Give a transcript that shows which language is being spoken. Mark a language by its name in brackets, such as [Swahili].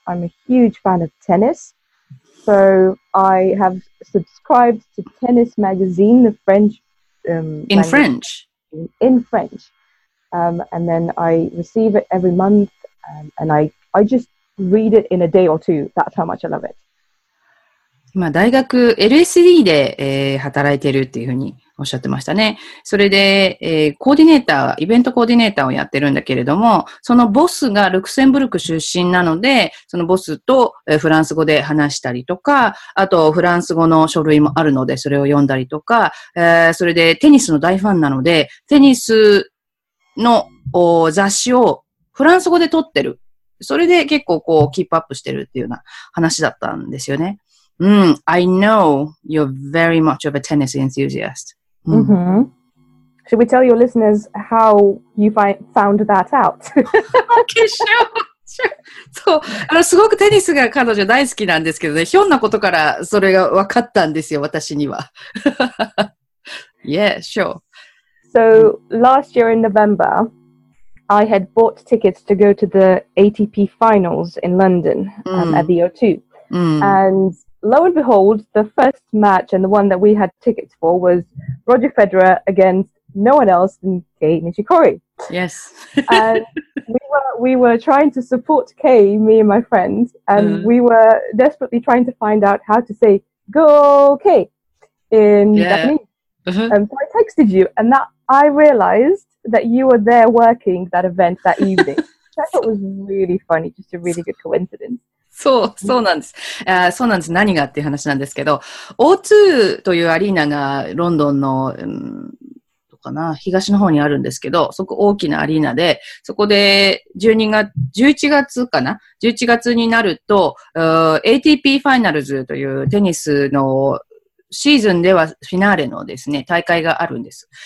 [English] I'm a huge fan of tennis. So I have subscribed to Tennis Magazine, the French. French? In French. And then I receive it every month. And I just read it in a day or two. That's how much I love it. [Japanese] 今大学 LSD で、働いてるっていうふうにおっしゃってましたね。それで、コーディネーター、イベントコーディネーターをやってるんだけれども、そのボスがルクセンブルク出身なので、そのボスと、フランス語で話したりとか、あとフランス語の書類もあるので、それを読んだりとか、それでテニスの大ファンなので、テニスの雑誌をフランス語で撮ってる。それで結構こうキープアップしてるっていうような話だったんですよね。 [English] I know you're very much of a tennis enthusiast. Should we tell your listeners how you found that out? Okay, sure. [Japanese] そう、すごくテニスが彼女大好きなんですけどね、ひょんなことからそれが分かったんですよ、私には。 [English] Yeah, sure. So, last year in November, I had bought tickets to go to the ATP finals in London, at the O2. And... Lo and behold, the first match and the one that we had tickets for was Roger Federer against no one else than Kei Nishikori. Yes. And we were trying to support Kei, me and my friends, and we were desperately trying to find out how to say, go Kei, in Japanese. And so I texted you, and that I realized that you were there working that event that evening. I thought it was really funny, just a really good coincidence. [Japanese] そう、そうなんです。そうなんです。何がっていう話なんですけど、O2 というアリーナがロンドンの、どうかな、東の方にあるんですけど、そこ大きなアリーナで、そこで11月になると、ATP ファイナルズというテニスのシーズンではフィナーレのですね、大会があるんです。